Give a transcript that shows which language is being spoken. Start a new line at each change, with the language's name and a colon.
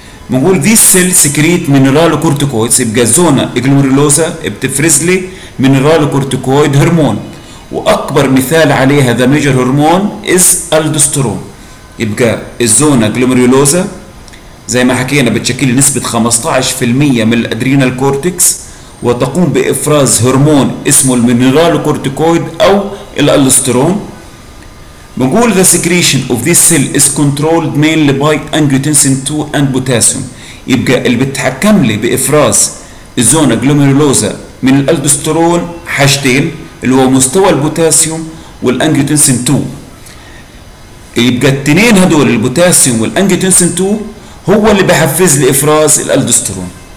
Arabic: بنقول
English: this cell secrete mineral corticoids،
Arabic: يبقى زونا جلوميرولوزا بتفرز لي mineral corticoid هرمون، وأكبر مثال عليها
English: the major hormone is
Arabic: الدوسترون. يبقى الزونا جلوميرولوزا زي ما حكينا بتشكل نسبة 15% من الأدرينال كورتكس، وتقوم بإفراز هرمون اسمه المينيرال كورتيكويد أو الألستيرون. بقول
English: the secretion of this cell is controlled mainly by angiotensin 2 and potassium.
Arabic: يبقى اللي بتحكم لي بإفراز الزونة جلوميرولوزا من الألدوسترون حاجتين اللي هو مستوى البوتاسيوم والأنجيوتنسين 2. يبقى التنين هدول البوتاسيوم والأنجيوتنسين 2 هو اللي بحفز لإفراز الألدوسترون.